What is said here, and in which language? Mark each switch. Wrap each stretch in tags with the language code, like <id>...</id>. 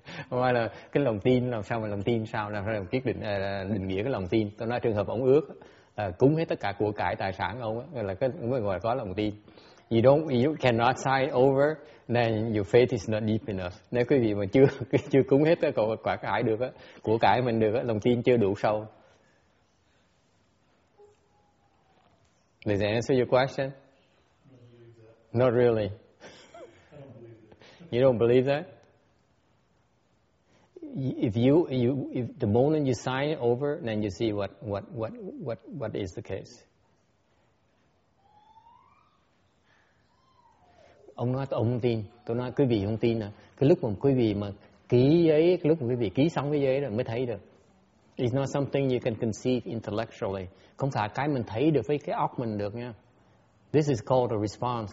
<vi>Well, cái lòng tin làm sao mà lòng tin sao là phải quyết định định nghĩa cái lòng tin. Tôi nói trường hợp ông ước cúng hết tất cả của cải tài sản ông là cái mới gọi có lòng tin.</vi> <en>You cannot sign over, then your faith is not deep enough.</en> <vi>Nếu quý vị mà chưa cúng hết tất cả của cải mình được, lòng tin chưa đủ sâu.</vi> <en>Does that answer your question? Not really. You don't believe that? If the moment you sign it over, then you see what is the case.</en> <vi>Ông nói tôi không tin, tôi nói quý vị không tin à? Cái lúc mà quý vị mà ký giấy, cái lúc mà quý vị ký xong cái giấy rồi mới thấy được.</vi> <en>It's not something you can conceive intellectually.</en> <vi>Không phải cái mình thấy được với cái óc mình được nha.</vi> <en>This is called a response.</en>